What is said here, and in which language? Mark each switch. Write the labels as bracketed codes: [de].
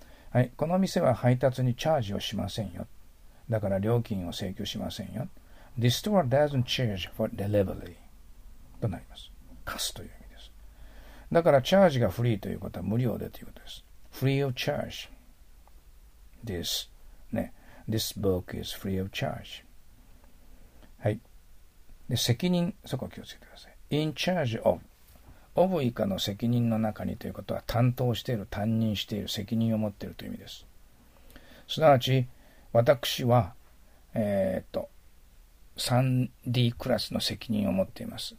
[ja] はい、この店は配達にチャージをしませんよ。だから料金を請求しませんよ。 [en] This store doesn't charge for delivery [ja] となります。貸すという意味です。だからチャージがフリーということは無料でということです。 [en] Free of charge. This,、ね、This book is free of charge. [ja] はい、で責任、そこを気をつけてください。 [en] In charge of。 [ja] of 以下の責任の中にということは、担当している、担任している、責任を持っているという意味です。すなわち、私は、3D クラスの責任を持っています。